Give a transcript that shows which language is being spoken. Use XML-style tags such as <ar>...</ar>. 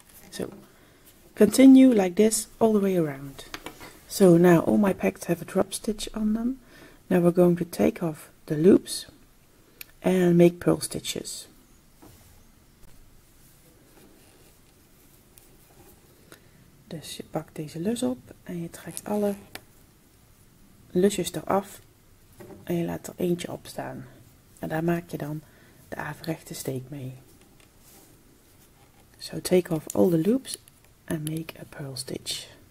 <en>So continue like this all the way around. So now all my pegs have a drop stitch on them. Now we're going to take off the loops and make purl stitches.</en> <nl>Dus je pakt deze lus op en je trekt alle lusjes eraf en je laat er eentje op staan. En daar maak je dan de averechte steek mee.</nl> <en>So take off all the loops and make a purl stitch.</en>